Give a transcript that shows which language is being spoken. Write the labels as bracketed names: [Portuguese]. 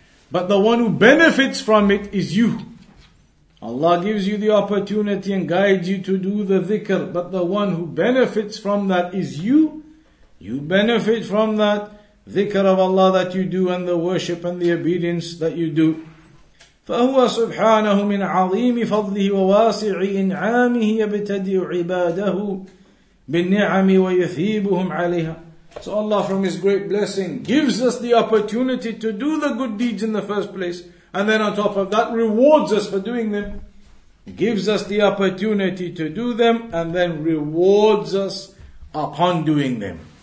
[English] But the one who benefits from it is you. Allah gives you the opportunity and guides you to do the dhikr. But the one who benefits from that is you. You benefit from that dhikr of Allah that you do and the worship and the obedience that you do. [Arabic] فهو سبحانه من عظيم فضله وواسع إنعامه يبتدع عباده بالنعم ويثيبهم عليها. [English] So Allah, from His great blessing, gives us the opportunity to do the good deeds in the first place, and then on top of that rewards us for doing them. Gives us the opportunity to do them and then rewards us upon doing them.